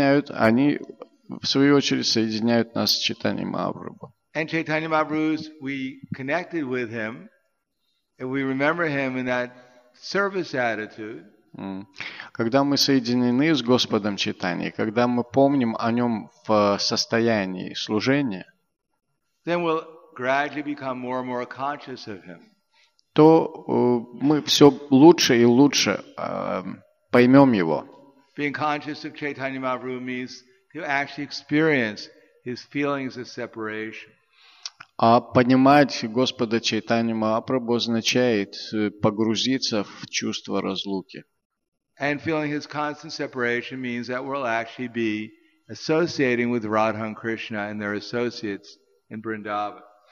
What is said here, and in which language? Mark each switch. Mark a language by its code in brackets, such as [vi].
[ru] Они в свою очередь соединяют нас с Чайтаньей Махапрабху. [en] And Chaitanya Mahaprabhu, we connected with him, and we remember him in that service attitude. [ru] Когда мы соединены с Господом Чайтаньей, когда мы помним о нем в состоянии служения, [en] then we'll gradually become more and more conscious of him. [ru] То мы все лучше и лучше поймем его. [en] Being conscious of Chaitanya Mahaprabhu means to actually experience his feelings of separation. [ru] А понимать Господа Чайтанью Махапрабху означает погрузиться в чувство разлуки. [en] And feeling his constant separation means that we'll actually be associating with Radha and Krishna and their associates in Vrindavan.